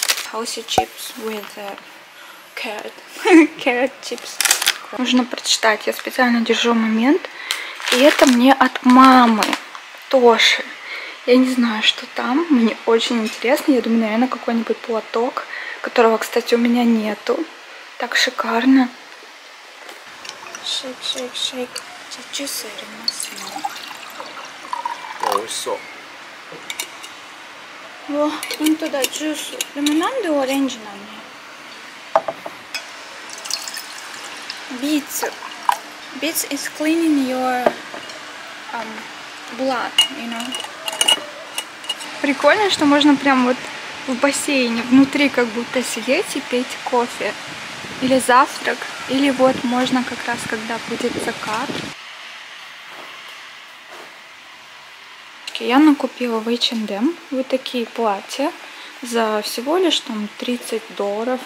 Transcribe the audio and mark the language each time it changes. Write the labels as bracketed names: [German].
[English] healthy chips with carrot. Carrot chips. [Russian] Нужно прочитать. Я специально держу момент. И это мне от мамы Тоши. Я не знаю, что там. Мне очень интересно. Я думаю, наверное, какой-нибудь платок, которого, кстати, у меня нету. Так шикарно. [English] Shake, shake, shake. Did you say it in my smell? Oh, so. [Russian] О, вон туда джус. Лимонады, оранжи на мне. [English] Beets. Beets is cleaning your blood, you know. [Russian] Прикольно, что можно прям вот в бассейне внутри как будто сидеть и пить кофе. Или завтрак. Или вот можно как раз, когда будет закат. Я накупила в H&M вот такие платья за всего лишь там $30.